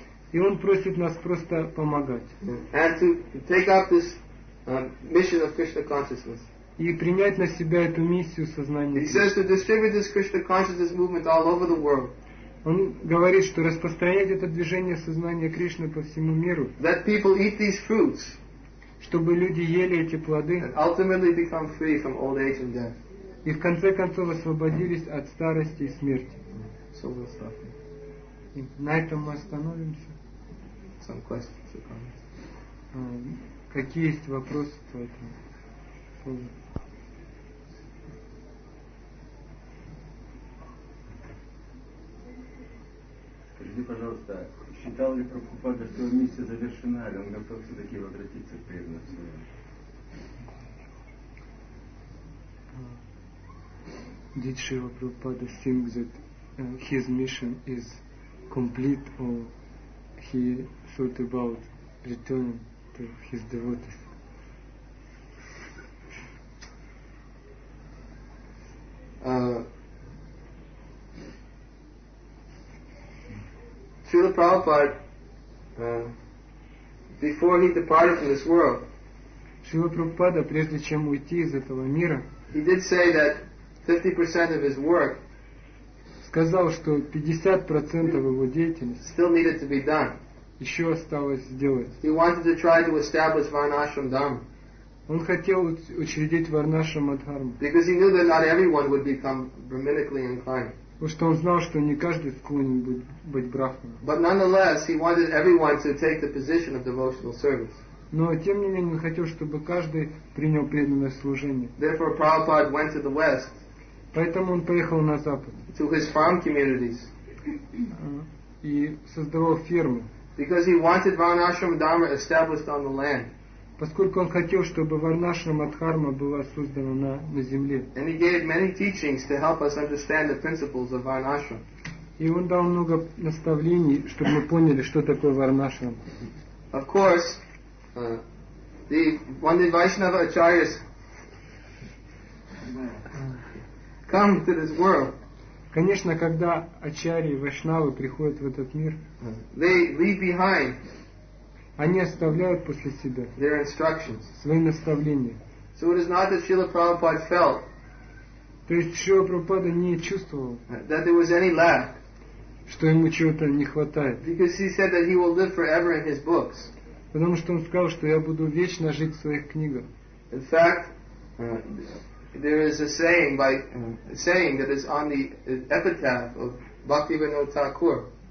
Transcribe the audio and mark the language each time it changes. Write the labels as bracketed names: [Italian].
[Russian] И он просит нас просто помогать. [English] And to take up this mission of Krishna consciousness. [Russian] и принять на себя эту миссию сознания. [English] He says to distribute this Krishna consciousness movement all over the world. [Russian] Он говорит, что распространять это движение сознания Кришны по всему миру. [English] That people eat these fruits. [Russian] Чтобы люди ели эти плоды. [English] And ultimately become free from old age and death. [Russian] И в конце концов освободились от старости и смерти. [English] So we'll stop here. [Russian] На этом мы остановимся. [English] Some questions or comments. [Russian] Какие есть вопросы по этому поводу? Скажи, пожалуйста, считал ли Прабхупада, что его миссия завершена, или он готов все-таки возвратиться к преданности? [English] Did Srila Prabhupada think that his mission is complete, or he thought about returning to his devotees? Srila Prabhupada, before he departed from this world, [Russian] Srila Prabhupada, прежде чем уйти из этого мира, [English] he did say that 50% of his work, [Russian] сказал, что 50% его деятельности [English] still needed to be done. [Russian] Еще осталось сделать. [English] He wanted to try to establish Varnashram Dharma. [Russian] Он хотел учредить Варнашрам Дхарму. [English] Because he knew that not everyone would become brahminically inclined. [Russian] Потому что он знал, что не каждый склонен быть брахманом. [English] But nonetheless, he wanted everyone to take the position of devotional service. [Russian] Но тем не менее он хотел, чтобы каждый принял преданное служение. [English] Therefore, Prabhupada went to the west. [Russian] Поэтому он поехал на запад. [English] To his farm communities. [Russian] И создавал фермы. [English] Because he wanted Varnashram Dharma established on the land. [Russian] Поскольку он хотел, чтобы Варнашрам Дхарма была создана на земле. [English] And he gave many teachings to help us understand the principles of Varnashram. [Russian] И он дал много наставлений, чтобы мы поняли, что такое Варнашрам. [English] Of course, the one of the Vaishnava acharyas come to this world. [Russian] Конечно, когда ачарьи вайшнавы приходят в этот мир, [English] they leave behind, [Russian] они оставляют после себя [English] their instructions, [Russian] свои наставления. [English] So it is not that Srila Prabhupada felt, [Russian] то есть Шрила Прабхупада не чувствовал, [English] that there was any lack, [Russian] что ему чего-то не хватает, [English] because he said that he will live forever in his books. [Russian] Потому что он сказал, что я буду вечно жить в своих книгах. [English] In fact, there is a saying by saying that is on the epitaph of Bhaktivinoda Thakur.